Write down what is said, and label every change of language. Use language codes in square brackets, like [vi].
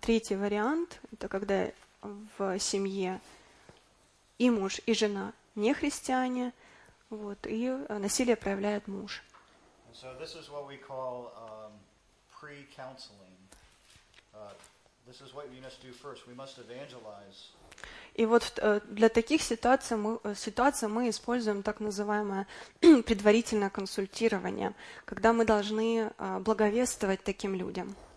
[ru] Третий вариант – это когда в семье и муж, и жена не христиане, вот, и насилие проявляет муж. [en] So this is what we call pre-counseling. This is what we must do first. We must evangelize. [ru] И вот для таких ситуаций мы используем так называемое предварительное консультирование, когда мы должны благовествовать таким людям.